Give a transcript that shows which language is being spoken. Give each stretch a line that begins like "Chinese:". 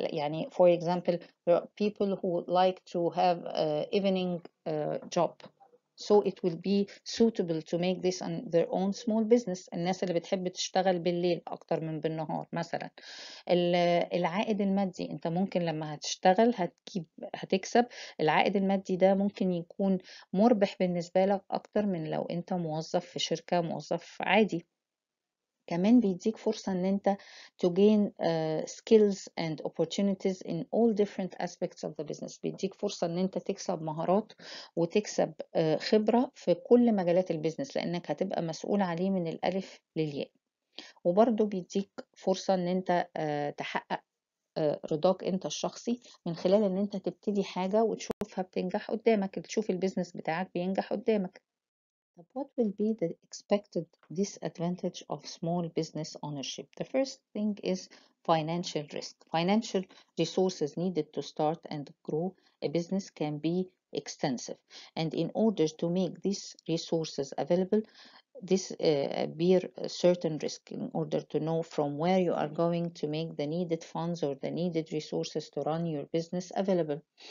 English: يعني for example there are people who would like to have evening job. So it will be suitable to make this on their own small business.
Arabic: الناس اللي بتحب تشتغل بالليل أكتر من بالنهار مثلا. العائد المادي، أنت ممكن لما هتشتغل هتكسب العائد المادي ده، ممكن يكون مربح بالنسبة لك أكتر من لو أنت موظف في شركة، موظف عادي. كمان بيديك فرصة ان انت
English: to gain skills and opportunities in all different aspects of the business.
Arabic: بيديك فرصة ان انت تكسب مهارات وتكسب خبرة في كل مجالات البيزنس، لانك هتبقى مسؤول عليه من الالف للياء. وبرضو بيديك فرصة ان انت تحقق رضاك انت الشخصي من خلال ان انت تبتدي حاجة وتشوفها بتنجح قدامك، تشوف البيزنس بتاعك بينجح قدامك.
English: What will be the expected disadvantage of small business ownership? The first thing is financial risk. Financial resources needed to start and grow a business can be extensive. And in order to make these resources available, this bear a certain risk in order to know from where you are going to make the needed funds or the needed resources to run your business available.